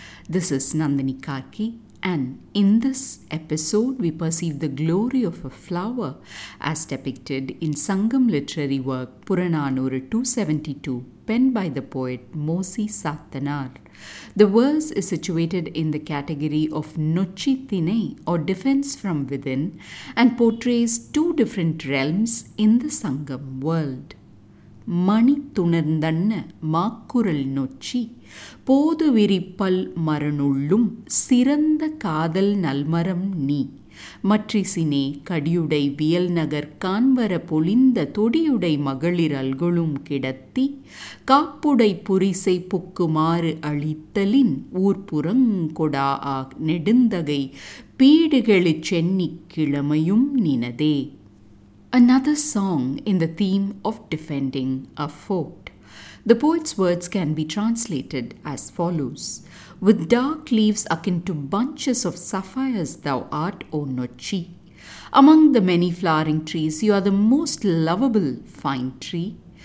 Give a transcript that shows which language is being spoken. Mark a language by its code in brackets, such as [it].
[en] This is Nandini Kaki, and in this episode we perceive the glory of a flower as depicted in Sangam literary work Puranaanooru 272, penned by the poet Mosi Saathanaar. The verse is situated in the category of Nochchi Thinai, or defense from within, and portrays two different realms in the Sangam world. [ta] மணி துணர்ந்தன்ன மாக்குரல் நொச்சி போது விரிப்பல் மரணுள்ளும் சிறந்த காதல் நல்மரம் நீ மற்றிசினே கடியுடை வியல் நகர் காண்வர பொழிந்த தொடியுடை மகளிர் அல்களும் கிடத்தி காப்புடை புரிசை புக்குமாறு அளித்தலின் ஊர்புறங்கொடா ஆ நெடுந்தகை பீடுகளு சென்னி கிழமையும் நினதே. [en] Another song in the theme of defending a fort. The poet's words can be translated as follows. With dark leaves akin to bunches of sapphires thou art, O Nochchi. Among the many flowering trees, you are the most lovable fine tree.